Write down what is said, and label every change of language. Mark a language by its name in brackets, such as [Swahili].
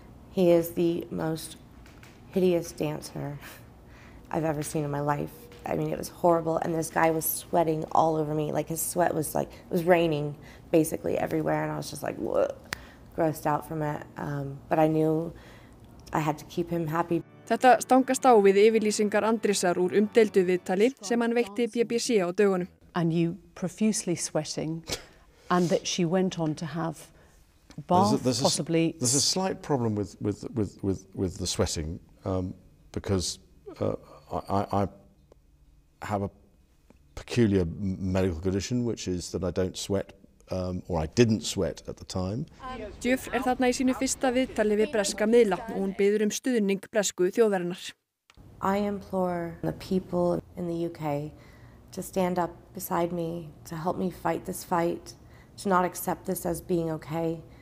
[English] He is the most hideous dancer I've ever seen in my life. I mean it was horrible and this guy was sweating all over me like his sweat was like it was raining basically everywhere and I was just like grossed out from it but I knew I had to keep him happy. [Icelandic] Þetta stangast á við yfirlýsingar Andrésar úr umdeildu viðtali sem hann veitti BBC á dögunum. [English] And you profusely sweating and that she went on to have bath possibly. There's a slight problem with the sweating because I have a peculiar medical condition which is that I don't sweat or I didn't sweat at the time. [Icelandic] Giuffre þarna í sínu fyrsta viðtali við breska miðla og hún biður stuðning bresku þjóðarinnar. [English] I implore the people in the UK to stand up beside me to help me fight this fight, to not accept this as being okay.